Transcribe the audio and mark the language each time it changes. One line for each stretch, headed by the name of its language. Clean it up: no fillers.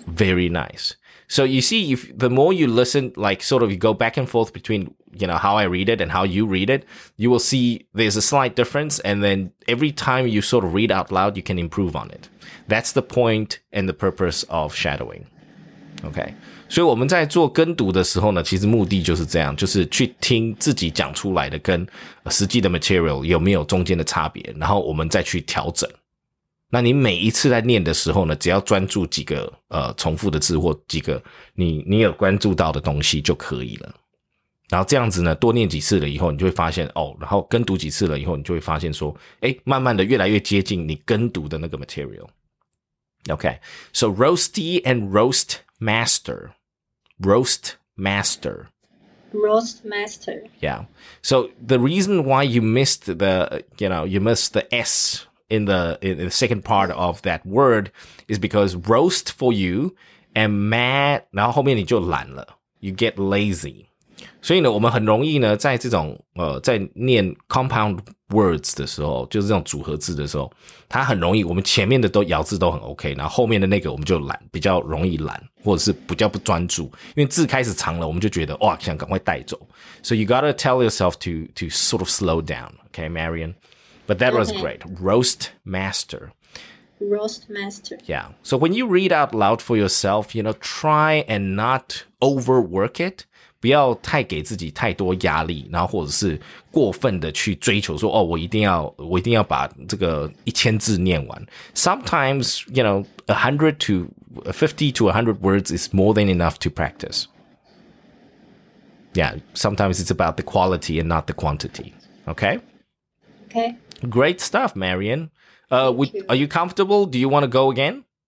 English: Very nice. So you see, if the more you listen, like sort of you go back and forth between, you know, how I read it and how you read it, you will see there's a slight difference. And then every time you sort of read out loud, you can improve on it. That's the point and the purpose of shadowing. Okay.
Chinese: 所以我们在做跟读的时候呢，其实目的就是这样，就是去听自己讲出来的跟实际的 material 有没有中间的差别，然后我们再去调整。那你每一次在念的时候呢，只要专注几个重复的字或几个你有关注到的东西就可以了。然后这样子呢，多念几次了以后，你就会发现哦，然后跟读几次了以后，你就会发现说，哎，慢慢的越来越接近你跟读的那个 material。
English: Okay, so roasty and roast master, roast master. Roast master. Yeah. So the reason why you missed the, you know, you missed the S in the second part of that word is because roast for you and mad,
Chinese: 然后后面你就懒了。
English: You get lazy.
Chinese: 所以呢我们很容易呢在这种在念 compound words 的时候，就是这种组合字的时候，它很容易，我们前面的都咬字都很 OK, 然后后面的那个我们就懒，比较容易懒，或者是比较不专注，因为字开始长了，我们就觉得哇，想赶快带走。
English: So you gotta tell yourself to sort of slow down, okay, Marion? But that was great. Roast master. Roast master. Yeah. So when you read out loud for yourself, you know, try and not overwork it.
Chinese: 不要太给自己太多压力，然后或者是过分的去追求说，哦，我一定要把这个一千字念完。
English: Sometimes, you know, 50 to 100 words is more than enough to practice. Yeah, sometimes it's about the quality and not the quantity. Okay? Okay. Great stuff, Marion. Are you comfortable? Do you want to go again?